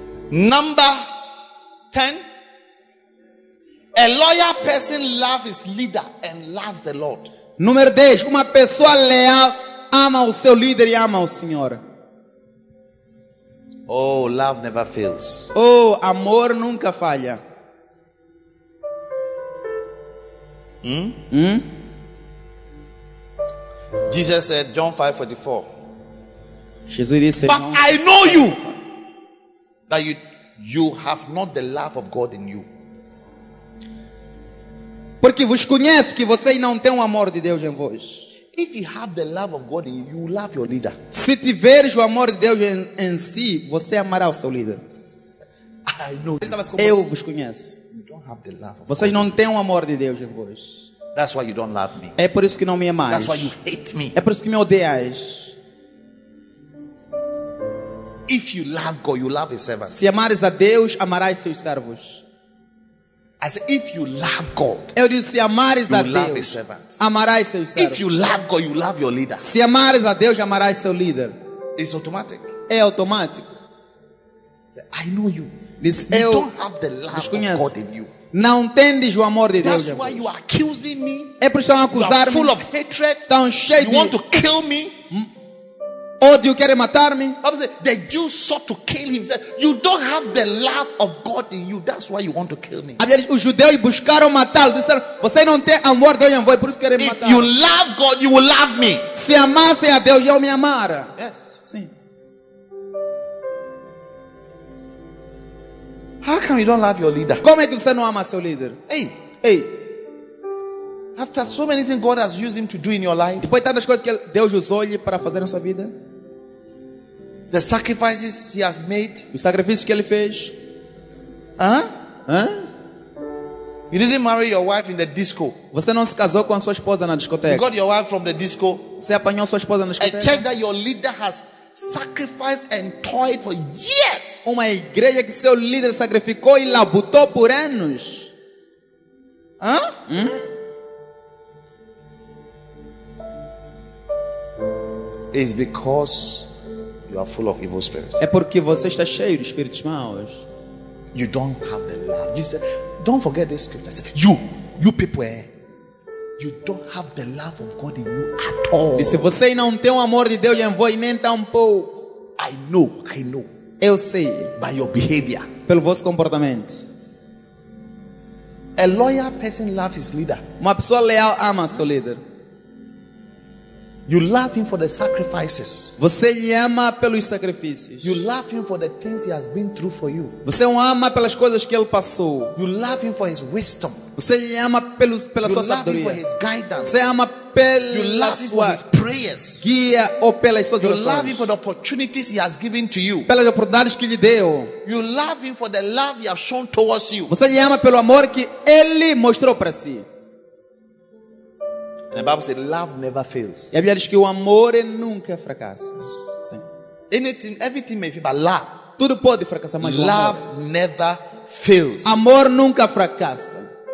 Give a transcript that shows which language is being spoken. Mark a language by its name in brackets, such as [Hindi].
[English] Number 10. A loyal person loves his leader and loves the Lord. [Portuguese] Número 10. Uma pessoa leal ama o seu líder e ama o Senhor. [English] Oh, love never fails. [Portuguese] Oh, amor nunca falha. [English] Jesus said, John 5:44. [Portuguese] Jesus disse, [English] but I know you that you have not the love of God in you. [Portuguese] Porque vos conheço que vocês não têm o amor de Deus em vós. [English] If you have the love of God in you, you love your leader. [Portuguese] Se tiveres o amor de Deus em si, você amará o seu líder. [English] I know. [Portuguese] Eu vos conheço. [English] You don't have the love of [Portuguese] vocês [English] God. [Portuguese] Não têm o amor de Deus em vós. [English] That's why you don't love me. [Portuguese] É por isso que não me amais. [English] That's why you hate me. [Portuguese] É por isso que me odeias. [English] If you love God, you love his servants. [Portuguese] Se amares a Deus, amarás seus servos. [English] I said, if you love God, [Portuguese] eu disse, se amares a Deus, [English] love his servant. [Portuguese] Amarás seu servo. [English] If you love God, you love your leader. [Portuguese] Se amares a Deus, amarás seu líder. [English] It's automatic. [Portuguese] É automático. [English] I know you. [Portuguese] Diz, [English] you don't have the love of God in you. [Portuguese] Não tendes o amor de Deus. [English] That's why you are accusing me. [Portuguese] É por isso que estão acusar-me. [English] You are full of hatred. [Portuguese] Tão cheio [English] you want to kill me. [Portuguese] Ódio, quer matar-me? [English] The Jews sought to kill him. You don't have the love of God in you. That's why you want to kill me. [Portuguese] Os judeus buscaram matá-lo. Disseram, você não tem amor de Deus em você, por isso querem matar. [English] If you love God, you will love me. [Portuguese] Se amasse a Deus, eu me amara. [English] Yes. [Portuguese] Sim. [English] How come you don't love your leader? [Portuguese] Como é que você não ama seu líder? Hey. Hey. [English] After so many things God has used him to do in your life. [Portuguese] Depois tantas coisas que Deus usou ele para fazer na sua vida. [English] The sacrifices he has made. [Portuguese] Os sacrifícios que ele fez. [English] You didn't marry your wife in the disco. [Portuguese] Você não se casou com a sua esposa na discoteca. [English] You got your wife from the disco. [Portuguese] Você apanhou sua esposa na discoteca. [English] A church that your leader has sacrificed and toiled for years. [Portuguese] Uma igreja que seu líder sacrificou e labutou por anos. [English] Is because you are full of evil spirits. [Portuguese] É porque você está cheio de espíritos maus. [English] You don't have the love. Jesus said, don't forget this scripture. You people, you don't have the love of God in you at all. [Portuguese] Disse, você não tem o amor de Deus em você nem tampouco. [English] I know. [Portuguese] Eu sei. [English] By your behavior. [Portuguese] Pelo vosso comportamento. [English] A loyal person loves his leader. [Portuguese] Uma pessoa leal ama seu líder. [English] You love him for the sacrifices. [Portuguese] Você o ama pelos sacrifícios. [English] You love him for the things he has been through for you. [Portuguese] Você o ama pelas coisas que ele passou. [English] You love him for his wisdom. [Portuguese] Você o ama pela [English] you [Portuguese] sua sabedoria. [English] You love him for his guidance. [Portuguese] Você ama pela [English] you love [Portuguese] sua [English] him for his prayers. [Portuguese] Guia ou pelas suas orações. [English] You love him for the opportunities he has given to you. [Portuguese] Pelas oportunidades que lhe deu. [English] You love him for the love he has shown towards you. [Portuguese] Você o ama pelo amor que ele mostrou para si. [English] And the Bible says love never fails. [Portuguese] E a Bíblia diz que o amor nunca fracassa. Sim. [English] Anything, everything may fail, but love. [Portuguese] Tudo pode fracassar, mas [English] love never fails. [Portuguese] Amor nunca fracassa.